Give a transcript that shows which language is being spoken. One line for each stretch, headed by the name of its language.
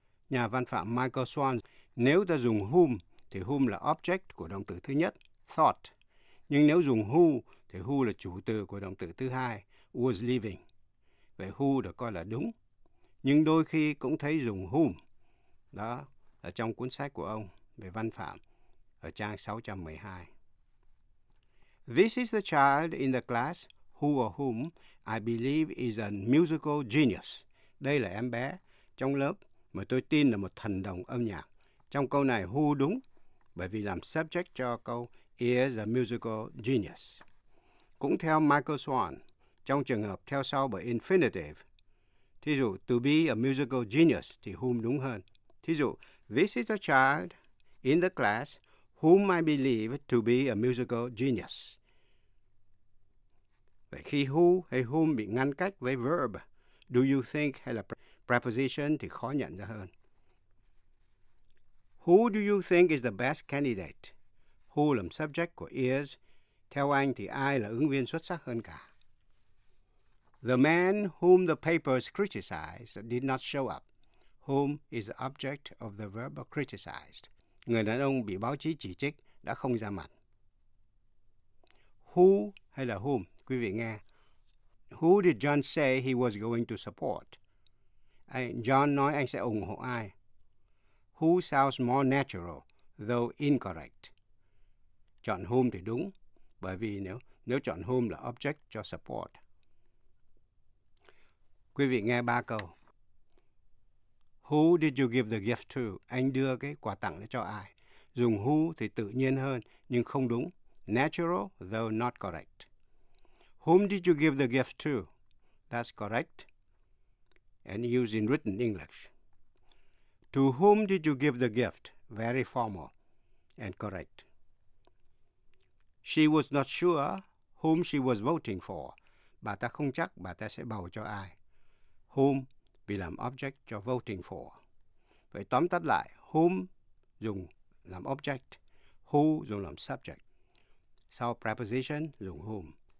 Vietnamese: Nhà văn phạm Michael Swan, nếu ta dùng whom, thì whom là object của động từ thứ nhất, thought. Nhưng nếu dùng who, thì who là chủ từ của động từ thứ hai, was living. Vậy who được coi là đúng. Nhưng đôi khi cũng thấy dùng whom. Đó là trong cuốn sách của ông về văn phạm ở trang 612.
English: This is the child in the class who or whom I believe is a musical genius.
Vietnamese: Đây là em bé trong lớp mà tôi tin là một thần đồng âm nhạc. Trong câu này who đúng bởi vì làm subject cho câu
English: he is a musical genius.
Vietnamese: Cũng theo Michael Swan, trong trường hợp theo sau bởi infinitive, thí dụ
English: to be a musical genius
Vietnamese: thì whom đúng hơn. Thí dụ
English: this is a child in the class whom I believe to be a musical genius.
Vietnamese: Vậy khi who hay whom bị ngăn cách với verb,
English: do you think
Vietnamese: hay là preposition thì khó nhận ra hơn.
English: Who do you think is the best candidate?
Vietnamese: Who làm subject của is. Theo anh thì ai là ứng viên xuất sắc hơn cả?
English: The man whom the papers criticized did not show up. Whom is the object of the verb criticized?
Vietnamese: Người đàn ông bị báo chí chỉ trích đã không ra mặt. Who hay là whom? Quý vị nghe.
English: Who did John say he was going to support?
Vietnamese: John nói anh sẽ ủng hộ ai?
English: Who sounds more natural, though incorrect?
Vietnamese: Chọn whom thì đúng, bởi vì nếu chọn whom là object cho support. Quý vị nghe ba câu.
English: Who did you give the gift to?
Vietnamese: Anh đưa cái quà tặng cho ai? Dùng who thì tự nhiên hơn, nhưng không đúng.
English: Natural, though not correct. Whom did you give the gift to? That's correct. And used in written English. To whom did you give the gift? Very formal and correct. She was not sure whom she was voting for.
Vietnamese: Bà ta không chắc bà ta sẽ bầu cho ai. Whom vì làm object cho voting for. Vậy tóm tắt lại, whom dùng làm object, who dùng làm subject. Sau preposition dùng whom.